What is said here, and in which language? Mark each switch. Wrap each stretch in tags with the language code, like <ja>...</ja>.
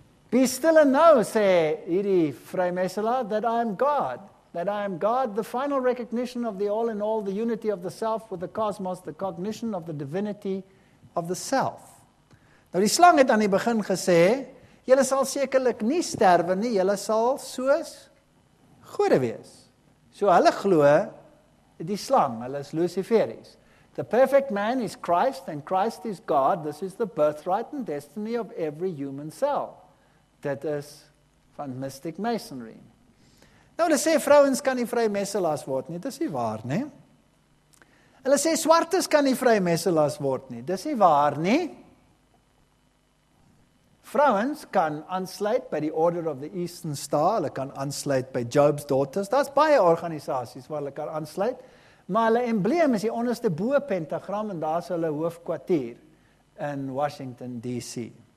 <en>"Be still and know,"</en> <af>sê hierdie vrymesselaar,</af> <en>"that I am God. That I am God, the final recognition of the all in all, the unity of the self with the cosmos, the cognition of the divinity of the self."</en> <af>Nou die slang het aan die begin gesê, julle sal sekerlik nie sterwe nie, julle sal soos gode wees. So hulle glo die slang, hulle is luciferies.</af> <en>"The perfect man is Christ and Christ is God. This is the birthright and destiny of every human soul."</en> <af>Dit is van Mystic Masonry. Nou hulle sê vrouens kan nie vrymesselaars word nie, dis nie waar nie. Hulle sê swartes kan nie vrymesselaars word nie, dis nie waar nie. Vrouens kan aansluit by die Order of the Eastern Star, hulle kan aansluit by Job's Daughters, daar's baie organisaties waar hulle kan aansluit, maar hulle embleem is die onderste bo pentagram en daar's hulle hoofkwartier in Washington DC.</af>